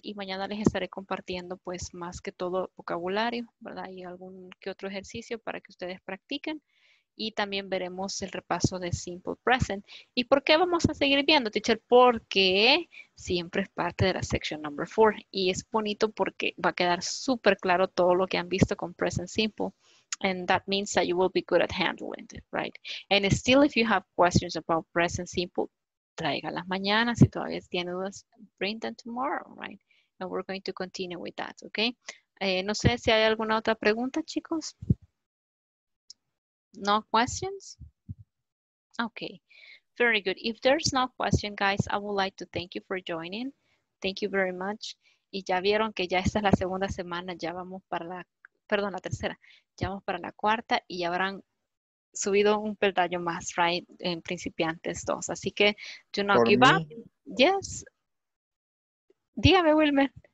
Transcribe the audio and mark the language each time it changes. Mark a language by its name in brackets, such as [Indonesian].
[Spanish] Y mañana les estaré compartiendo, pues, más que todo vocabulario, ¿verdad? Y algún que otro ejercicio para que ustedes practiquen. Y también veremos el repaso de Simple Present. ¿Y por qué vamos a seguir viendo, teacher? Porque siempre es parte de la [English] section number 4. [Spanish] Y es bonito porque va a quedar súper claro todo lo que han visto con Present Simple. [English] And that means that you will be good at handling it, right? And still, if you have questions about Present Simple, [Spanish] traiga las mañanas, si todavía tiene dudas, [English] bring them tomorrow, right? And we're going to continue with that, okay? [Spanish] No sé si hay alguna otra pregunta, chicos. [English] No questions? Okay, very good. If there's no question, guys, I would like to thank you for joining. Thank you very much. [Spanish] Y ya vieron que ya esta es la segunda semana, ya vamos para la, perdón, la tercera. Ya vamos para la cuarta y ya habrán subido un peldaño más, right, en principiantes 2. Así que, [English] do not give up. [Spanish] Yes. Dígame, Wilmer.